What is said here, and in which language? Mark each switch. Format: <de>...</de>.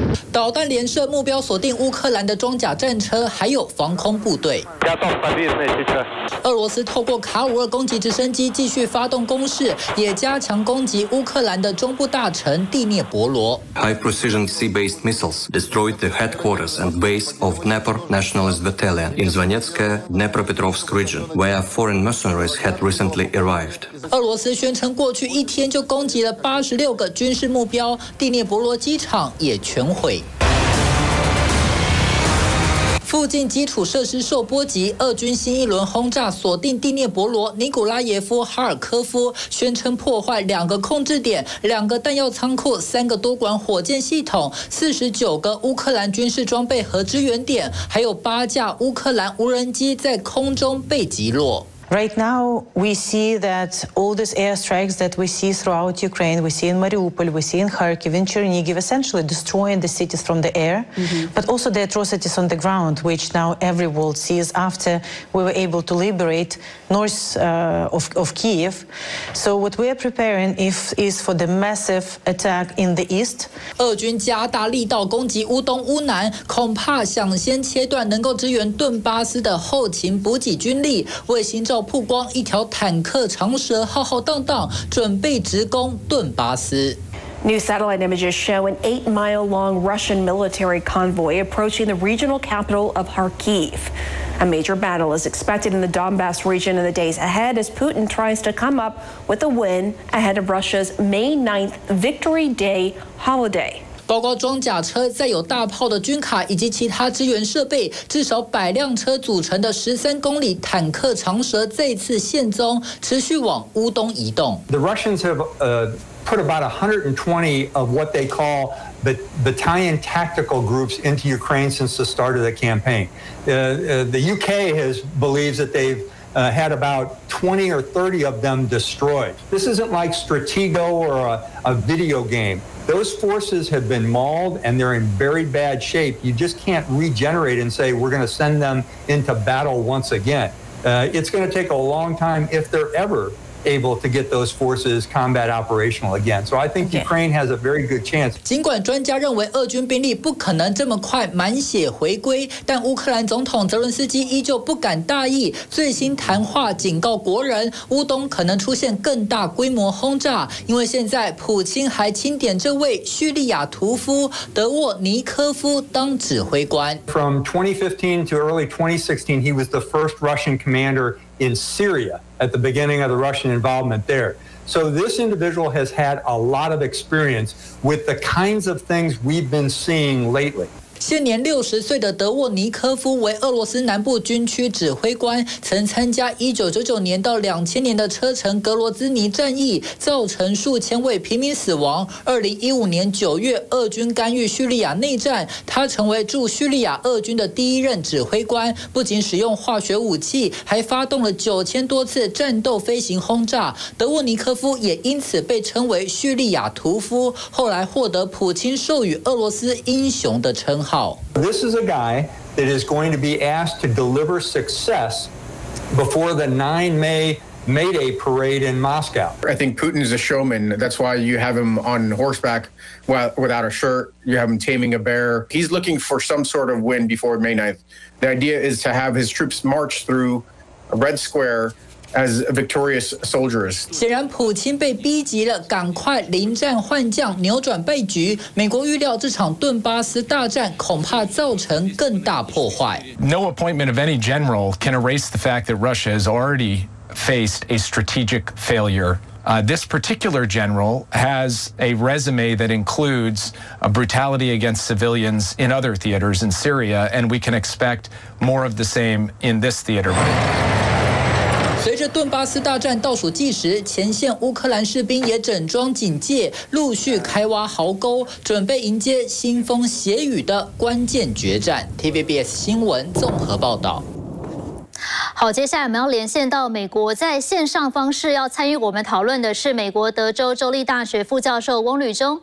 <zh>导弹连射目标锁定乌克兰的装甲战车，还有防空部队。俄罗斯透过卡五二攻击直升机继续发动攻势，也加强攻击乌克兰的中部大臣蒂涅伯罗。</zh> <en>High precision sea-based missiles destroyed the headquarters and base of Dnepr Nationalist Battalion in Zvonetskaya Dnepropetrovsk region, where foreign mercenaries had recently arrived.</en> <zh>俄罗斯宣称过去一天就攻击了86个军事目标，蒂涅伯罗机场也全毁。附近基础设施受波及，俄军新一轮轰炸锁定蒂涅伯罗、尼古拉耶夫、哈尔科夫，宣称破坏2个控制点、2个弹药仓库、3个多管火箭系统、49个乌克兰军事装备和支援点，还有8架乌克兰无人机在空中被击落。</zh> <en>Right now, we see that all these airstrikes that we see throughout Ukraine, we see in Mariupol, we see in Kharkiv, in Chernihiv, essentially destroying the cities from the air, but also the atrocities on the ground, which now every world sees after we were able to liberate north of Kyiv. So what we are preparing is for the massive attack in the east.</en> <zh>俄军加大力道攻击乌东乌南，恐怕想先切断能够支援顿巴斯的后勤补给军力。卫星照曝光一条坦克长蛇浩浩荡荡，准备直攻顿巴斯。</zh> <en>New satellite images show an 8-mile-long Russian military convoy approaching the regional capital of Kharkiv. A major battle is expected in the Donbass region in the days ahead as Putin tries to come up with a win ahead of Russia's May 9th Victory Day holiday.</en> <zh>包括装甲车、载有大炮的军卡以及其他支援设备，至少百辆车组成的13公里坦克长蛇再次现踪，持续往乌东移动。</zh> <en>The Russians have put about 120 of what they call battalion tactical groups into Ukraine since the start of the campaign. The UK believes that they've had about 20 or 30 of them destroyed. This isn't like Stratego or a video game. Those forces have been mauled and they're in very bad shape. You just can't regenerate and say, we're going to send them into battle once again. It's going to take a long time if they're ever able to get those forces combat operational again. So I think Ukraine has a very good chance.</en> <zh>尽管专家认为俄军兵力不可能这么快满血回归，但乌克兰总统泽伦斯基依旧不敢大意。最新谈话警告国人，乌东可能出现更大规模轰炸，因为现在普京还钦点这位叙利亚屠夫德沃尼科夫当指挥官。</zh> <en>From 2015 to early 2016, he was the first Russian commander in Syria. At the beginning of the Russian involvement there. So this individual has had a lot of experience with the kinds of things we've been seeing lately.</en> <zh>现年60岁的德沃尼科夫为俄罗斯南部军区指挥官，曾参加1999年到2000年的车臣格罗兹尼战役，造成数千位平民死亡。 2015年9月，俄军干预叙利亚内战，他成为驻叙利亚俄军的第一任指挥官。不仅使用化学武器，还发动了9000多次战斗飞行轰炸。德沃尼科夫也因此被称为叙利亚屠夫，后来获得普京授予俄罗斯英雄的称。</zh> <en>This is a guy that is going to be asked to deliver success before the 9 May May Day parade in Moscow. I think Putin is a showman. That's why you have him on horseback without a shirt. You have him taming a bear. He's looking for some sort of win before May 9th. The idea is to have his troops march through a red square. As victorious soldiers.</en> <zh>显然普京被逼急了，赶快临战换将，扭转败局。美国预料这场顿巴斯大战恐怕造成更大破坏。</zh> <en>No appointment of any general can erase the fact that Russia has already faced a strategic failure. This particular general has a resume that includes a brutality against civilians in other theaters in Syria, and we can expect more of the same in this theater.</en> <zh>随着顿巴斯大战倒数计时，前线乌克兰士兵也整装警戒，陆续开挖壕沟，准备迎接腥风血雨的关键决战。 TVBS 新闻综合报道。好，接下来我们要连线到美国，在线上方式要参与我们讨论的是美国德州州立大学副教授翁吕中。</zh>